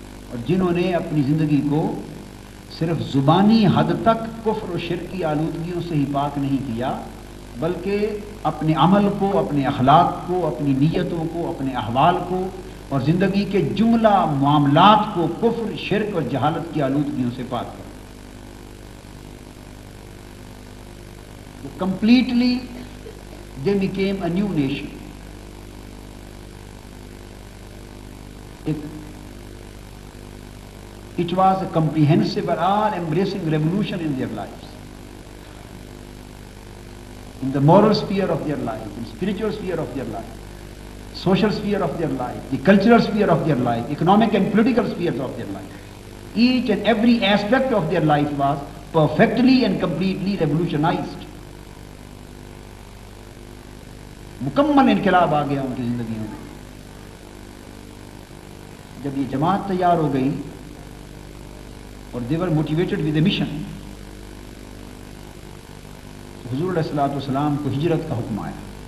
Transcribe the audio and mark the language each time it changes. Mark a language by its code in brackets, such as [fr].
[ur] اور جنہوں نے اپنی زندگی کو صرف زبانی حد تک کفر و شرک کی آلودگیوں سے ہی پاک نہیں کیا بلکہ اپنے عمل کو, اپنے اخلاق کو, اپنی نیتوں کو, اپنے احوال کو اور زندگی کے جملہ معاملات کو کفر, شرک اور جہالت کی آلودگیوں سے پاک کیا. [en] Completely they became a new nation, it was a comprehensive all embracing revolution in their life, in the moral sphere of their life, in spiritual sphere of their life, social sphere of their life, the cultural sphere of their life, economic and political sphere of their life, each and every aspect of their life was perfectly and completely revolutionised. [ur] مکمل انقلاب آ گیا ان کی زندگیوں میں. جب یہ جماعت تیار ہو گئی اور [en] they were motivated with a mission, [ur] حضور علیہ الصلوۃ والسلام کو ہجرت کا حکم آیا.